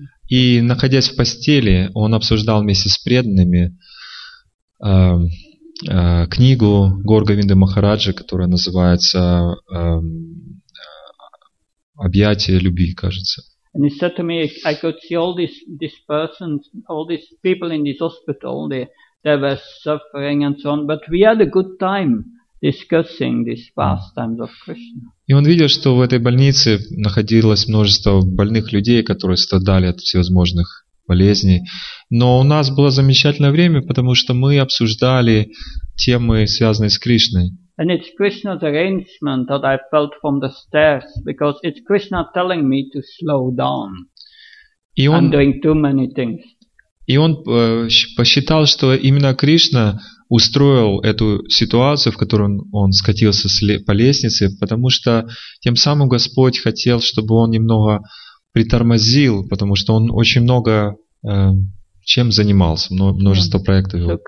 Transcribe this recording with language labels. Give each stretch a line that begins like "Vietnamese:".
Russian: И находясь в постели, он обсуждал вместе с преданными книгу Горгавинды Махараджи, которая называется «Объятия любви», кажется.
English: And he said to me, I could see all these persons, all these people in this hospital, they were suffering and so on, but we had a good time discussing these pastimes of Krishna.
Russian: И он видел, что в этой больнице находилось множество больных людей, которые страдали от всевозможных болезней. Но у нас было замечательное время, потому что мы обсуждали темы, связанные с Кришной.
English: And it's Krishna's arrangement that I felt from the stairs, because it's Krishna telling me to slow down.
Russian: И он,
English: I'm doing too many things.
Russian: И он посчитал, что именно Кришна устроил эту ситуацию, в которой он скатился по лестнице, потому что тем самым Господь хотел, чтобы он немного притормозил, потому что он очень много чем занимался, множество проектов.